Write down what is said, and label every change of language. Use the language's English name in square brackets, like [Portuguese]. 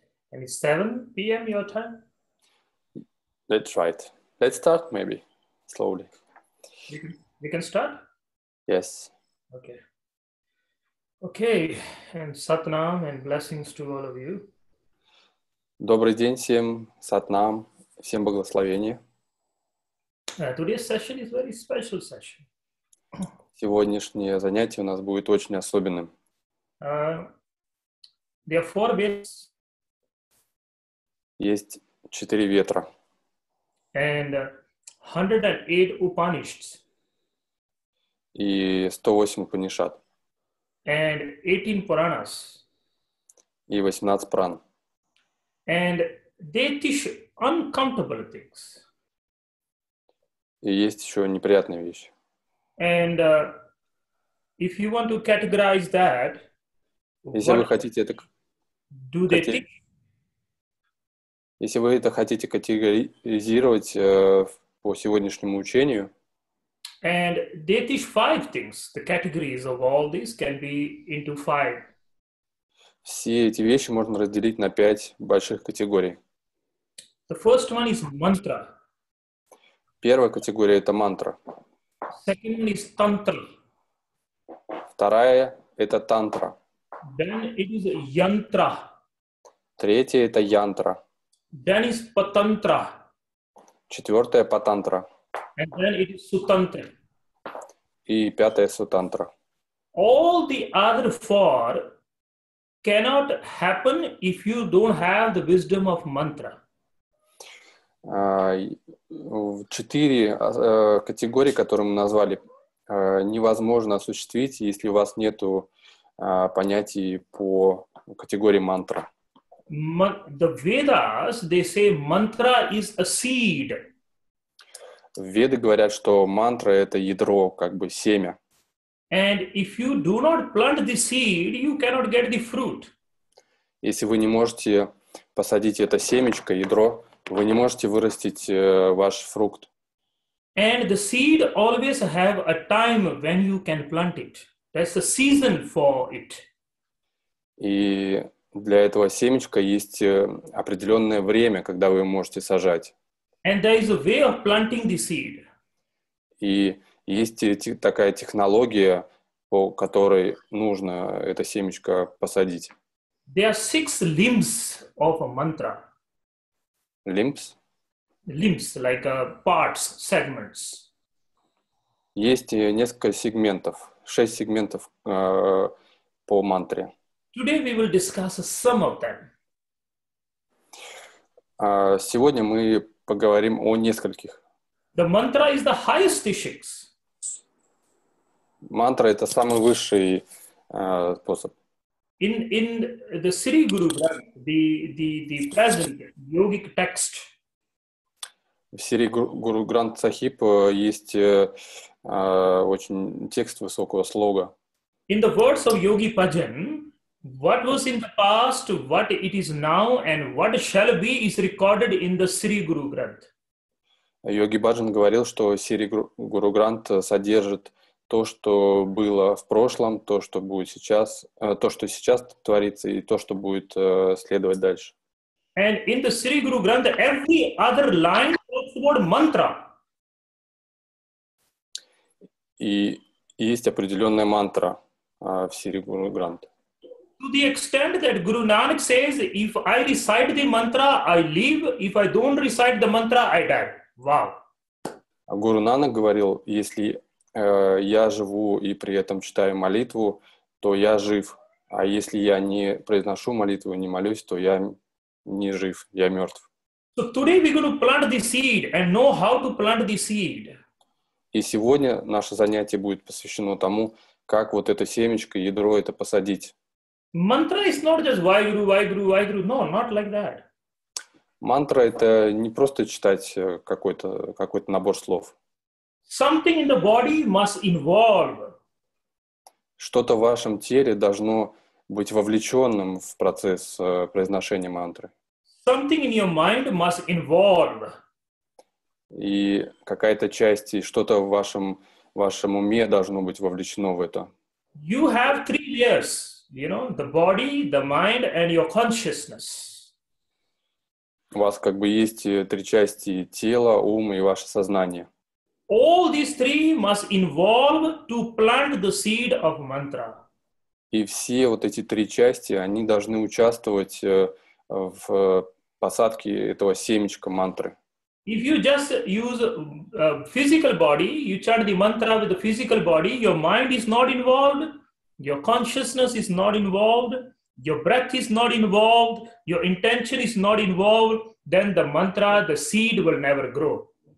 [English] And it's 7 p.m. your time? That's right. Let's start, maybe, slowly. We can start? Yes. Okay. Okay, and Satnam and blessings to all of you. [Russian] Добрый день всем, Сатнам, всем благословения. [English] Today's session is a very special session. [Russian] Сегодняшнее занятие у нас будет очень особенным. [English] There are four bits. [Russian] Есть четыре ветра. [English] And 108 Upanishads. [Russian] И 108 Упанишад. [English] And 18 Puranas. [Russian] И 18 Пран. [English] And they teach uncomfortable things. [Russian] И есть еще неприятные вещи. [English] And if you want to categorize that, [Russian] если вы хотите это... [English] Do they teach? [Russian] Если вы это хотите категоризировать по сегодняшнему учению, [English] and they teach five things. The categories of all these can be into five. [Russian] Все эти вещи можно разделить на пять больших категорий. [English] The first one is mantra. [Russian] Первая категория – это мантра. [English] Second one is tantra. [Russian] Вторая – это тантра. [English] Then it is yantra. [Russian] Третья – это янтра. [English] Then is patantra. [Russian] Четвертое – патантра. [English] And then it is sutantra. [Russian] И пятое – сутантра. [English] All the other four cannot happen if you don't have the wisdom of mantra. [Russian] Четыре категории, которые мы назвали, невозможно осуществить, если у вас нет понятий по категории мантра. [English] The Vedas, they say mantra is a seed. [Russian] Веды говорят, что мантра – это ядро, как бы семя. [English] And if you do not plant the seed, you cannot get the fruit. [Russian] Если вы не можете посадить это семечко, ядро, вы не можете вырастить ваш фрукт. [English] And the seed always have a time when you can plant it. That's the season for it. [Russian] И для этого семечка есть определенное время, когда вы можете сажать. [English] And there is a way of planting the seed. [Russian] И есть такая технология, по которой нужно это семечко посадить. [English] There are six limbs of a mantra. Limbs? Limbs, like parts, segments. [Russian] Есть несколько сегментов, шесть сегментов по мантре. [English] Today we will discuss some of them. [Russian] Сегодня мы поговорим о нескольких. [English] The mantra is the highest teachings. [Russian] Мантра – это самый высший способ. [English] In the Sri Guru Granth, the present yogic text. [Russian] В Sri Guru Granth Sahib есть очень текст высокого слога. [English] In the words of Yogi Bhajan, what was in the past, what it is now, and what shall be is recorded in the Sri Guru Granth. [Russian] Йоги Баджан говорил, что Сири Гуру Грант содержит то, что было в прошлом, то, что будет сейчас, то, что сейчас творится, и то, что будет следовать дальше. [English] And in the Sri Guru Granth, every other line talks about mantra. [Russian] И есть определенная мантра в Sri Guru Granth. [English] To the extent that Guru Nanak says, if I recite the mantra, I live. If I don't recite the mantra, I die. Wow. [Russian] Guru Nanak говорил, если я живу и при этом читаю молитву, то я жив. А если я не произношу молитву, не молюсь, то я не жив, я мертв. [English] So today we're going to plant the seed and know how to plant the seed. [Russian] И сегодня наше занятие будет посвящено тому, как вот это семечко, ядро это посадить. [English] Mantra is not just Vaheguru, Vaheguru, Vaheguru. No, not like that. [Russian] Мантра — это не просто читать какой-то набор слов. [English] Something in the body must involve. [Russian] Что-то в вашем теле должно быть вовлеченным в процесс произношения мантры. [English] Something in your mind must involve. [Russian] И какая-то часть, и что-то в вашем уме должно быть вовлечено в это. [English] You have three layers, you know, the body, the mind, and your consciousness. [Russian] У вас как бы есть три части тела, ума и ваше сознание. [English] All these three must involve to plant the seed of mantra. [Russian] И все вот эти три части, они должны участвовать в посадке этого семечка мантры. [English] If you just use a physical body, you chant the mantra with the physical body, your mind is not involved, your consciousness is not involved, your breath is not involved, your intention is not involved, then the mantra, the seed will never grow.